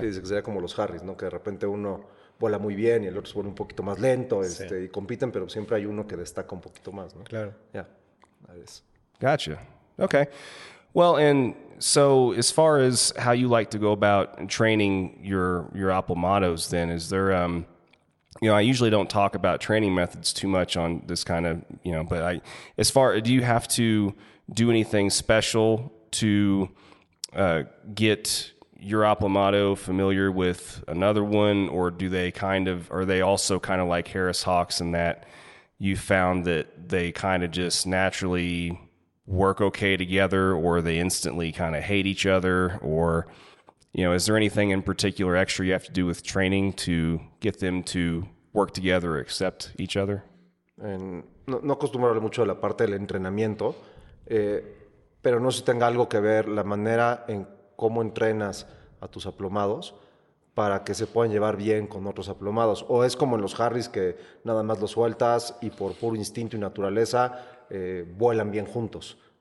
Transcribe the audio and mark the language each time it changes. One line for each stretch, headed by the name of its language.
Spanish: Sí, sería como los Harris, ¿no? Que de repente uno vuela muy bien y el otro se vuela un poquito más lento, y compiten, pero siempre hay uno que destaca un poquito más, ¿no? Claro.
English: Yeah. That is. Gotcha. Okay. Well, and so as far as how you like to go about training your apalmatos, then is there you know, I usually don't talk about training methods too much on this kind of, you know, but do you have to do anything special to get your apalmato familiar with another one, or are they also kind of like Harris Hawks in that you found that they kind of just naturally work okay together, or they instantly kind of hate each other, or, you know, is there anything in particular extra you have to do with training to get them to work together, accept each other?
Spanish: No acostumbro hablar mucho de la parte del entrenamiento, pero no sé si tenga algo que ver la manera en cómo entrenas a tus aplomados para que se puedan llevar bien con otros aplomados. O es como en los Harris, que nada más los sueltas y por puro instinto y naturaleza vuelan bien juntos.